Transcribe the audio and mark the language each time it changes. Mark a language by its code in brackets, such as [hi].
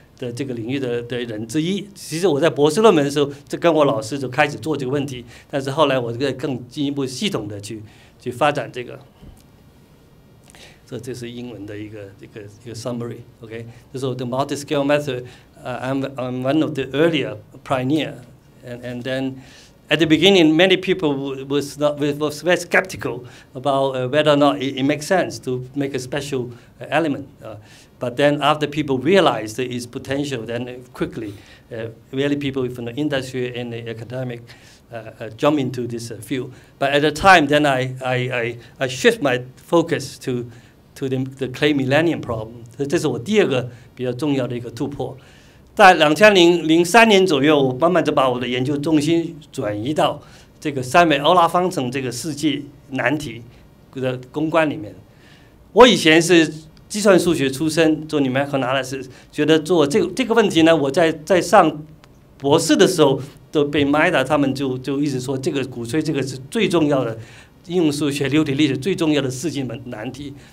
[zh] 的这个领域 的人之一。其实我在博士论文的时候就跟我老师就开始做这个问题，但是后来我更进一步系统的 去发展这个。所以这是英文的一个 [en] summary， OK， 就是 the multi-scale method， I'm one of the earlier pioneer， and then at the beginning many people was very skeptical about whether or not it makes sense to make a special element， but then after people realized its potential， then quickly really people from the industry and the academic jump into this field， but at the time then I shift my focus to the clay millennium problem， [zh] 这是我第二个比较重要的一个突破。在2003年左右，我慢慢就把我的研究重心转移到这个三维欧拉方程这个世界难题的攻关里面。我以前是计算数学出身，做 numerical analysis， 觉得做这个问题呢，我在上博士的时候都被 MIDA 他们就一直说这个鼓吹这个是最重要的应用数学流体力学最重要的世界难题。